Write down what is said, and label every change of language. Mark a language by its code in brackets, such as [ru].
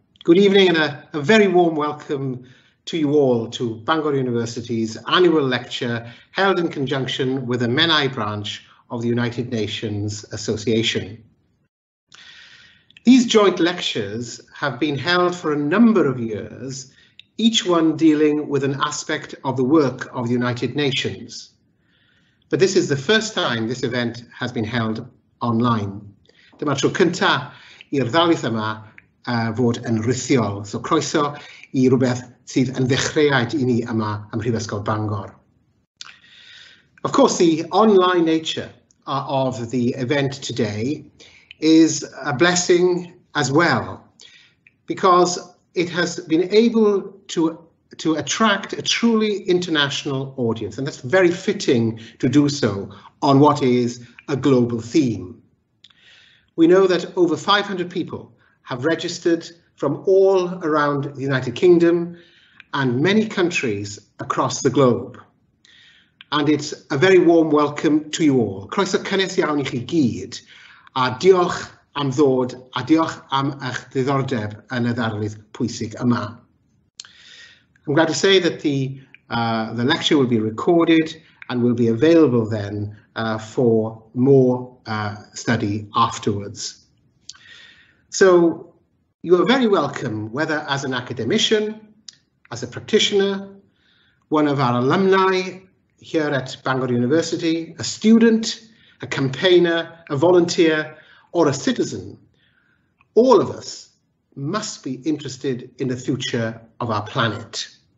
[en] Good evening and a very warm welcome to you all to Bangor University's annual lecture held in conjunction with the Menai branch of the United Nations Association. These joint lectures have been held for a number of years, each one dealing with an aspect of the work of the United Nations. But this is the first time this event has been held online. [cy] Dyma tro cynta i'r ddarlith yma fod yn rhithiol. So croeso I rhywbeth sydd yn ddechreuad I ni yma ym Mhrifysgol Bangor. [en] Of course, the online nature of the event today is a blessing as well, because it has been able to attract a truly international audience, and that's very fitting to do so on what is a global theme. We know that over 500 people have registered from all around the United Kingdom and many countries across the globe. And it's a very warm welcome to you all. [cy] Croeso cynnes iawn I chi gyd, a diolch am ddod, a diolch am eich diddordeb yn y ddarlith pwysig yma. [en] I'm glad to say that the lecture will be recorded and will be available then for more study afterwards. So you are very welcome, whether as an academician, as a practitioner, one of our alumni here at Bangor University, a student, a campaigner, a volunteer, or a citizen, all of us must be interested in the future of our planet.